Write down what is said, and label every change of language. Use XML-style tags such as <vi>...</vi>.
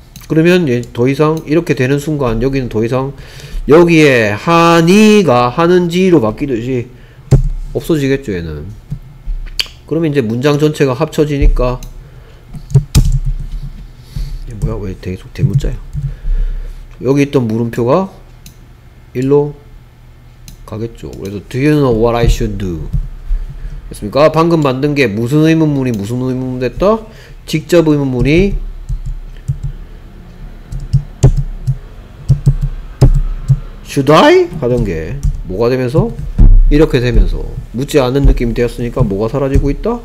<ko>그러면 얘 더 이상 이렇게 되는 순간 여기는 더 이상 여기에 하니가 하는지로 바뀌듯이 없어지겠죠. 얘는 그러면 이제 문장 전체가 합쳐지니까 얘 뭐야 왜 계속 대문자야. 여기 있던 물음표가 일로 가겠죠.</ko> <en>그래서 Do you know what I should do?</en> <ko>됐습니까? 방금 만든 게 무슨 의문문이 무슨 의문문 됐다? 직접 의문문이</ko> <en>Should I?</en> <ko>하던 게 뭐가 되면서? 이렇게 되면서 묻지 않는 느낌이 되었으니까 뭐가 사라지고 있다?</ko>